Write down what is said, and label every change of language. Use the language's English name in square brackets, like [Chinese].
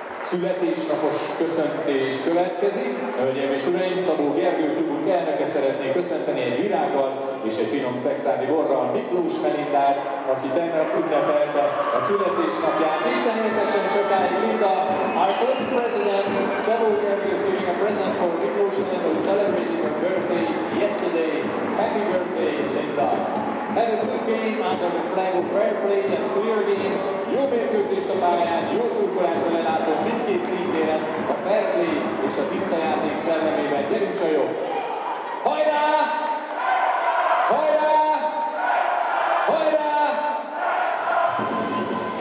[Hungarian] Születésnapos köszöntés következik. Hölgyeim és uraim, Szabó Gergő klubunk elnöke szeretné köszönteni egy virággal és egy finom szekszárdi borral Miklós Melindát, aki tegnap ünnepelte a születésnapját. Isten éltessen sokáig, Linda! [English] Our club's president, Szabó Gergő, is giving a present for Miklós Melinda, who celebrated her birthday yesterday. Happy birthday, Linda! Have a good game under the flag of fair play and clear game. [Hungarian] Jó mérkőzést a pályán, jó szurkolást a lelátó mindkét szintére, a fair play és a tiszta játék szellemében. Gyerünk, csajok! Hajrá! Hajrá! Hajrá! Yeah.